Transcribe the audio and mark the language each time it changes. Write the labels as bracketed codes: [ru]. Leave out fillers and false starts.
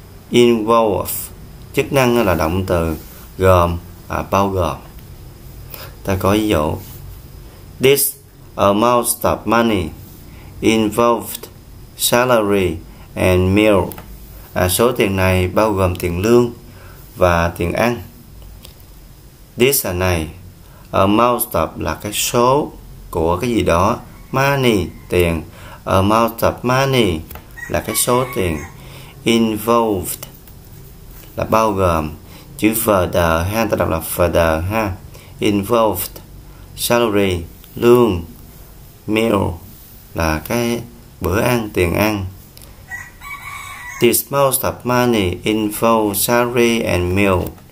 [vi] Involve chức năng là động từ gồm, bao gồm. Ta có ví dụ. [en] This amount of money involved salary and meal. [vi] Số tiền này bao gồm tiền lương và tiền ăn. This là này. Amount of là cái số của cái gì đó. Money, tiền. [en] Amount of money [vi] là cái số tiền. Involved là bao gồm. Chữ further ha, ta đọc là further ha. Involved, salary, lương, meal là cái bữa ăn, tiền ăn. [en] This amount of money involves salary and meal.